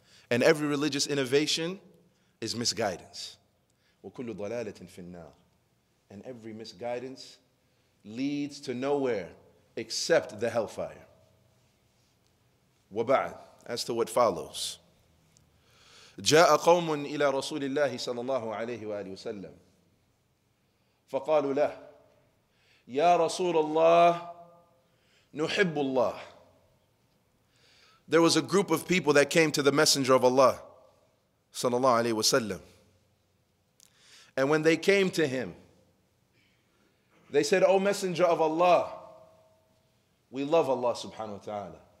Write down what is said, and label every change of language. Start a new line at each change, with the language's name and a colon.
English: And every religious innovation is misguidance.
Arabic: وَكُلُّ ضَلَالَةٍ فِي النَّارِ.
English: And every misguidance leads to nowhere except the hellfire.
Arabic: وبعد,
English: as to what follows.
Arabic: جاء قوم إلى رسول الله صلى الله عليه وآله وسلم فقالوا له يا رسول الله نحب الله.
English: There was a group of people that came to the messenger of Allah صلى الله عليه وسلم. And when they came to him, they said, O messenger of Allah, we love Allah subhanahu wa ta'ala.